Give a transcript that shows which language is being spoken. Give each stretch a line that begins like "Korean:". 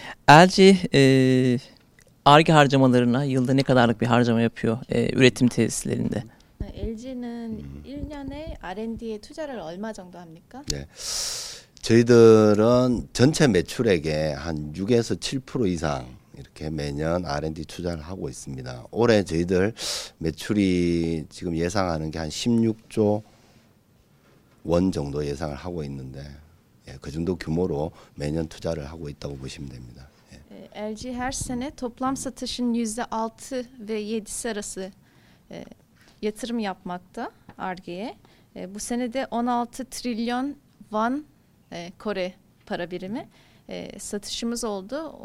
Turkish: LG, Ar-Ge harcamalarına yılda ne kadarlık bir harcama yapıyor üretim tesislerinde?
Korean: LG'nin 1년에 R&D에 투자를 얼마 정도 합니까? 네. 저희들은 전체 매출액의 한 6에서 7% 이상 이렇게 매년 R&D 투자를 하고 있습니다. 올해 저희들 매출이 지금 예상하는 게 한 16조 원 정도 예상을 하고 있는데 예, 그 정도 규모로 매년 투자를 하고 있다고 보시면 됩니다. 예.
Turkish: LG her sene toplam satışın %6 ve 7'si arası yatırım yapmakta Ar-Ge'ye. Bu sene de 16 trilyon won Kore para birimi satışımız oldu.